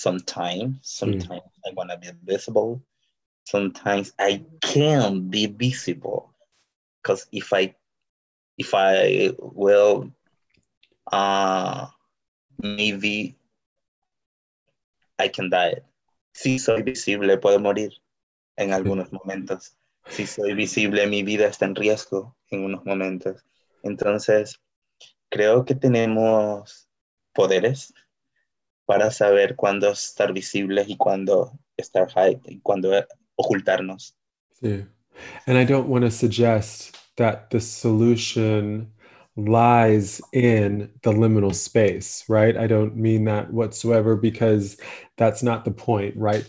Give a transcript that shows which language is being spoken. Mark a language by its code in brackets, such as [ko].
[en] Sometimes I want to be visible. Sometimes I can't be visible. Because if I will, maybe I can die. [es] Si soy visible, puedo morir en algunos momentos. Si soy visible, mi vida está en riesgo en unos momentos. Entonces, creo que tenemos poderes para saber cuándo estar visibles y cuándo estar hide, y cuándo ocultarnos. Sí. [en] And I don't want to suggest that the solution lies in the liminal space, right? I don't mean that whatsoever, because that's not the point, right?